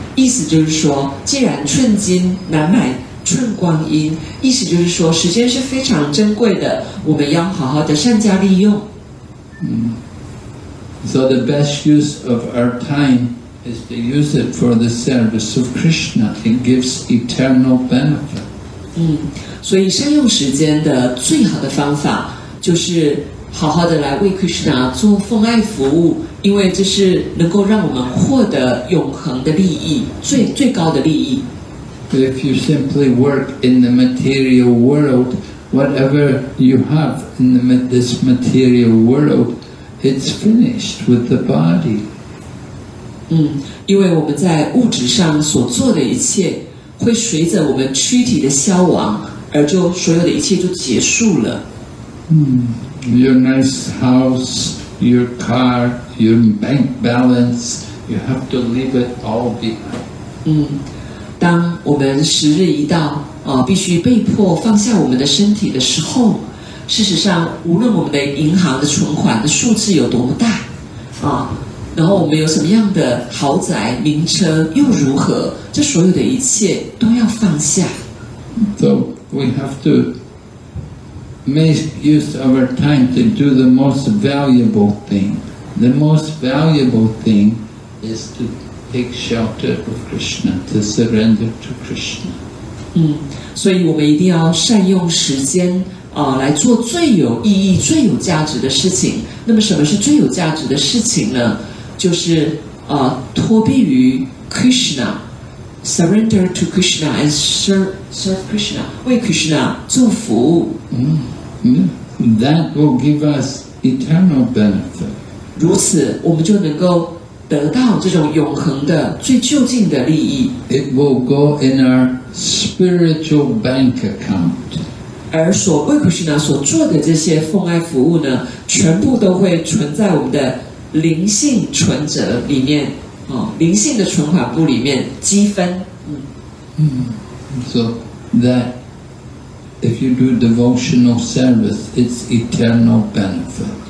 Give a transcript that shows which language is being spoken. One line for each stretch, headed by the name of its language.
Chinese: 意思就是说，既然寸金难买寸光阴，意思就是说，时间是非常珍贵的，我们要好好的善加利用。
English: So the best use of our time is to use it for the service of Krishna. It gives eternal benefit.
Chinese: 所以善用时间的最好的方法就是。好好的来为 Krishna 做奉爱服务，因为这是能够让我们获得永恒的利益，最高的利益。
English: If you simply work in the material world, whatever you have in this material world, it's finished with the body.
Chinese: 因为我们在物质上所做的一切，会随着我们躯体的消亡，而就所有的一切就结束了。
English: Your nice house, your car, your bank balance, you have to leave it all behind.
Chinese: 当我们时日一到必须被迫放下我们的身体的时候，事实上无论我们的银行的存款的数字有多么大然后我们有什么样的豪宅名车又如何，这所有的一切都要放下。
English: So we have toMake use of our time to do the most valuable thing. The most valuable thing is to take shelter of Krishna, to surrender to Krishna.
Chinese: 所以我们一定要善用时间来做最有意义、最有价值的事情。那么什么是最有价值的事情呢？就是托庇于 Krishna,
English: surrender to Krishna and serve Krishna,
Chinese: 为 Krishna 做服务。
English: That will give us eternal benefit.
Chinese: 如此，我们就能够得到这种永恒的、最究竟的利益。
English: It will go in our spiritual bank account.
Chinese: 而所为 Krishna 所做的这些奉爱服务呢，全部都会存在我们的灵性存折里面，灵性的存款簿里面积分。
English: So that. If you do devotional service, it's eternal benefit.